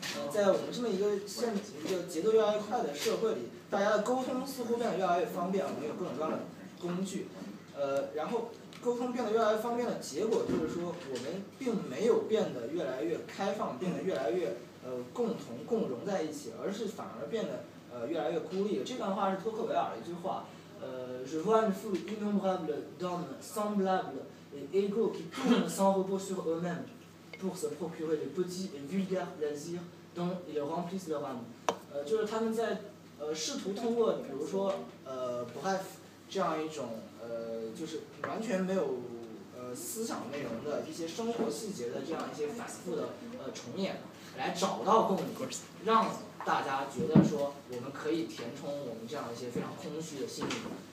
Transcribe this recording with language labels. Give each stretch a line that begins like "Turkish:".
Chinese: 在我们这么一个现在一个节奏越来越快的社会里，大家的沟通似乎变得越来越方便，我们有各种各样的工具，然后沟通变得越来越方便的结果就是说，我们并没有变得越来越开放，变得越来越共同共融在一起，而是反而变得越来越孤立。这段话是托克维尔一句话，
French: Je vois une foule innombrable d'hommes semblables et égaux qui tournent sans repos sur eux-mêmes pour se procurer des petits et vulgaires plaisirs dont ils remplissent leur âme.
Chinese: 就是他们在试图通过，比如说bref 这样一种就是完全没有思想内容的一些生活细节的这样一些反复的重演，来找到共鸣，让大家觉得说我们可以填充我们这样一些非常空虚的心灵。